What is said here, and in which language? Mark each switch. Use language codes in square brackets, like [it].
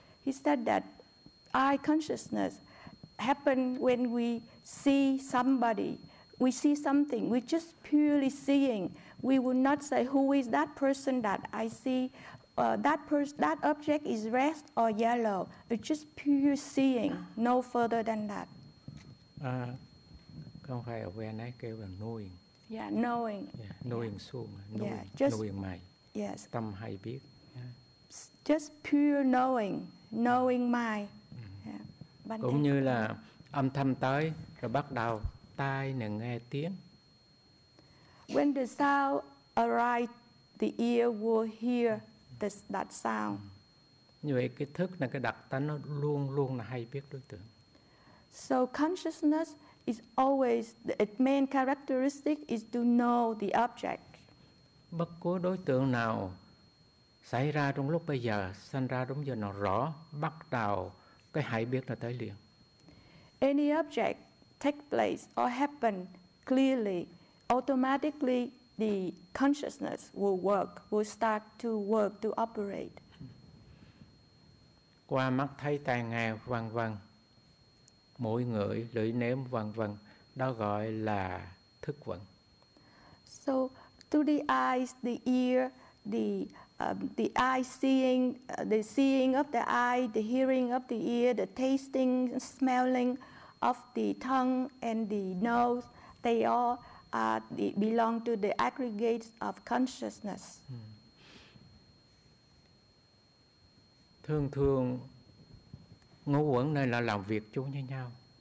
[en] He said that eye consciousness happens when we see somebody, we see something, we're just purely seeing. We would not say, who is that person that I see? That object is red or yellow. It's just pure seeing, no further than that. [vi] Không phải awareness, kêu là knowing. [en] Yeah, knowing. Yeah, knowing yeah. Soon, knowing, yeah, just, knowing mind. Yes. [vi] Tâm hay biết. [en] Just pure knowing mind. Mm-hmm. Yeah. [vi] Cũng như là âm thanh tới rồi bắt đầu tai này nghe tiếng. [en] When the sound arrives, the ear will hear that sound. [vi] Như vậy cái thức là cái đặc tính nó luôn luôn là hay biết đối tượng. [en] So consciousness is always its main characteristic is to know the object. [vi] Bất cứ đối tượng nào xảy ra trong lúc bây giờ, sanh ra đúng giờ nó rõ, bắt đầu cái hãy biết là tới liền. [en] Any object take place or happen clearly, automatically the consciousness will start to work, to operate. [vi] Qua mắt thấy tai nghe vân vân, mũi ngửi lưỡi nếm vân vân, đó gọi là thức vận. [en] So through the eyes, the ear, the eye seeing, the seeing of the eye, the hearing of the ear, the tasting, smelling of the tongue and the nose, they all belong to the aggregates of consciousness. [vi] Thường thường ngũ uẩn này là làm việc chung với nhau.